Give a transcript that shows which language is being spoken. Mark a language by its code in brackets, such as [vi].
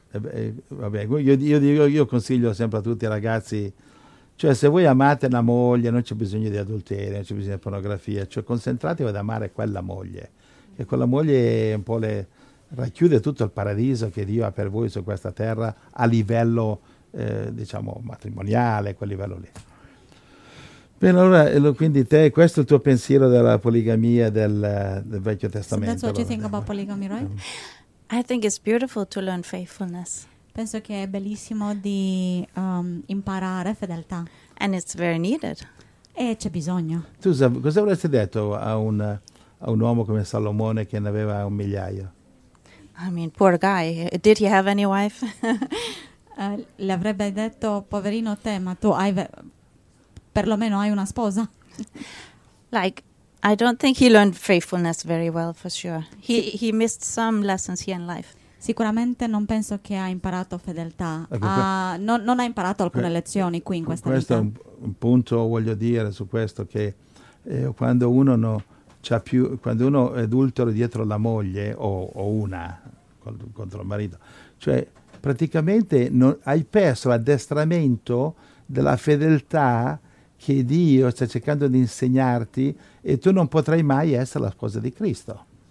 [it] Io consiglio sempre a tutti i ragazzi, cioè se voi amate una moglie non c'è bisogno di adulterio, non c'è bisogno di pornografia, cioè concentratevi ad amare quella moglie, che quella moglie un po' racchiude tutto il paradiso che Dio ha per voi su questa terra a livello diciamo matrimoniale, quel livello lì. Bene, allora, quindi questo è il tuo pensiero della poligamia del Vecchio Testamento. [en] So that's what you think about polygamy, right? I think it's beautiful to learn faithfulness. [it] Penso che è bellissimo di imparare fedeltà. [en] And it's very needed. [it] E c'è bisogno. Tu cosa avresti detto a un uomo come Salomone che ne aveva un migliaio? [en] I mean, poor guy. Did he have any wife? [it] Le avrebbe detto, poverino te, ma tu hai perlomeno hai una sposa. [en] Like... I don't think he learned faithfulness very well, for sure. He missed some lessons here in life. [it] Sicuramente non penso che ha imparato fedeltà. Non ha imparato alcune lezioni qui in questa vita. Questo è un punto, voglio dire, su questo, che quando uno no, c'ha più, quando uno è adultero dietro la moglie o una contro il marito, cioè praticamente non, hai perso l'addestramento della fedeltà che Dio sta cercando di insegnarti, e tu non potrai mai essere la sposa di Cristo.